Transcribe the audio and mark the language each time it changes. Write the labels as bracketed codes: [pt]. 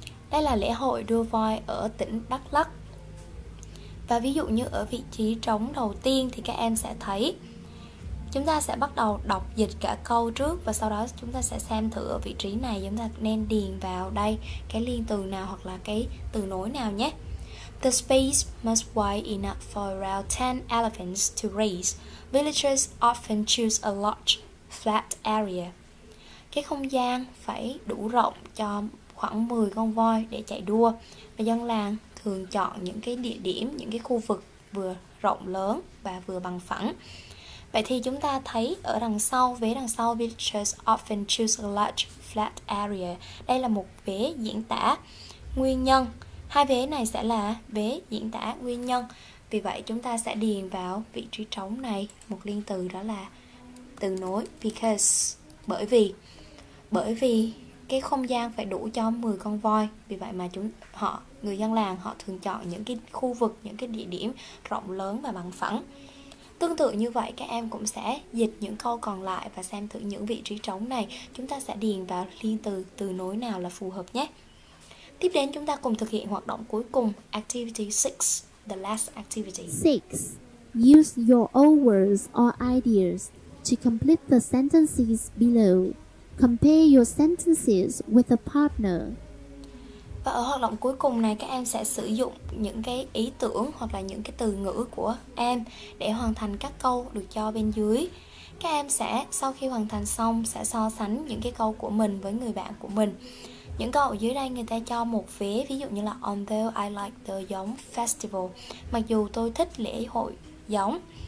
[vi] Đây là lễ hội đua voi ở tỉnh Đắk Lắk. Và ví dụ như ở vị trí trống đầu tiên thì các em sẽ thấy, chúng ta sẽ bắt đầu đọc dịch cả câu trước và sau đó chúng ta sẽ xem thử ở vị trí này chúng ta nên điền vào đây cái liên từ nào hoặc là cái từ nối nào nhé. [en] The space must be wide enough for around 10 elephants to race. Villagers often choose a large, flat area. [vi] Cái không gian phải đủ rộng cho khoảng 10 con voi để chạy đua. Và dân làng thường chọn những cái địa điểm, những cái khu vực vừa rộng lớn và vừa bằng phẳng. Vậy thì chúng ta thấy ở đằng sau, vế đằng sau, [en] villagers often choose a large, flat area. [vi] Đây là một vế diễn tả nguyên nhân. Hai vế này sẽ là vế diễn tả nguyên nhân. Vì vậy chúng ta sẽ điền vào vị trí trống này một liên từ, đó là từ nối because, bởi vì. Bởi vì cái không gian phải đủ cho 10 con voi, vì vậy mà người dân làng họ thường chọn những cái khu vực, những cái địa điểm rộng lớn và bằng phẳng. Tương tự như vậy, các em cũng sẽ dịch những câu còn lại và xem thử những vị trí trống này chúng ta sẽ điền vào liên từ, từ nối nào là phù hợp nhé. Tiếp đến, chúng ta cùng thực hiện hoạt động cuối cùng, Activity 6, [en] the last activity. 6. Use your own words or ideas to complete the sentences below. Compare your sentences with a partner. [vi] Và ở hoạt động cuối cùng này, các em sẽ sử dụng những cái ý tưởng hoặc là những cái từ ngữ của em để hoàn thành các câu được cho bên dưới. Các em sẽ, sau khi hoàn thành xong, sẽ so sánh những cái câu của mình với người bạn của mình. Những câu ở dưới đây người ta cho một vế, ví dụ như là [en] Although I like the giống festival, [vi] mặc dù tôi thích lễ hội giống.